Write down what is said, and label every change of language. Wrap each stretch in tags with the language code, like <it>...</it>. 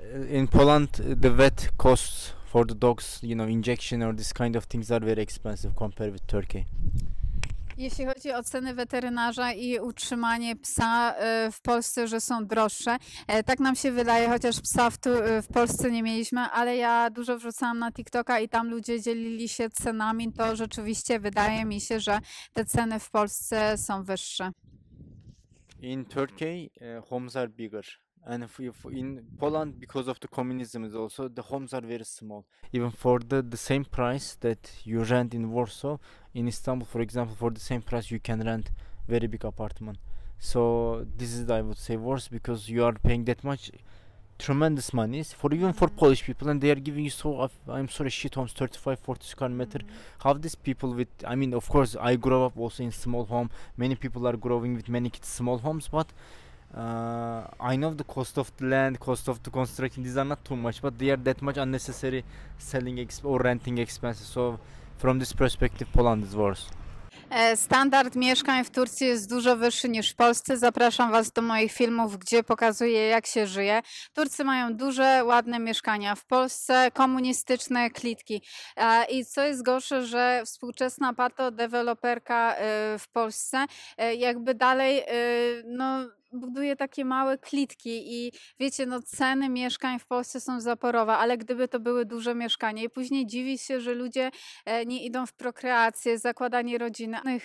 <en>In Poland the vet costs for the dogs, you know, injection or this kind of things are very expensive compared with Turkey.</en> <pl>Jeśli chodzi o ceny weterynarza i utrzymanie psa w Polsce, że są droższe, tak nam się wydaje, chociaż psa w Polsce nie mieliśmy, ale ja dużo wrzucałam na TikToka i tam ludzie dzielili się cenami, to rzeczywiście wydaje mi się, że te ceny w Polsce są wyższe.</pl> <en>In Turkey, homes are bigger. And if in Poland, because of the communism is also, the homes are very small. Even for the same price that you rent in Warsaw, in Istanbul, for example, for the same price you can rent very big apartment. So this is, I would say, worse because you are paying that much, tremendous money, for Polish people, and they are giving you so, I'm sorry, shit homes, 35-40 square meter. How these people with, I mean, of course, I grew up also in small home. Many people are growing with many kids small homes, but I know the cost of the land, cost of the construction, these are not too much, but they are that much unnecessary selling or renting expenses. So from this perspective, Poland is worse.</en> <pl>Standard mieszkań w Turcji jest dużo wyższy niż w Polsce. Zapraszam Was do moich filmów, gdzie pokazuję, jak się żyje. Turcy mają duże, ładne mieszkania. W Polsce komunistyczne klitki. I co jest gorsze, że współczesna patodeweloperka w Polsce jakby dalej buduje takie małe klitki i wiecie, no ceny mieszkań w Polsce są zaporowe, ale gdyby to były duże mieszkania i później dziwi się, że ludzie nie idą w prokreację, zakładanie rodziny.</pl>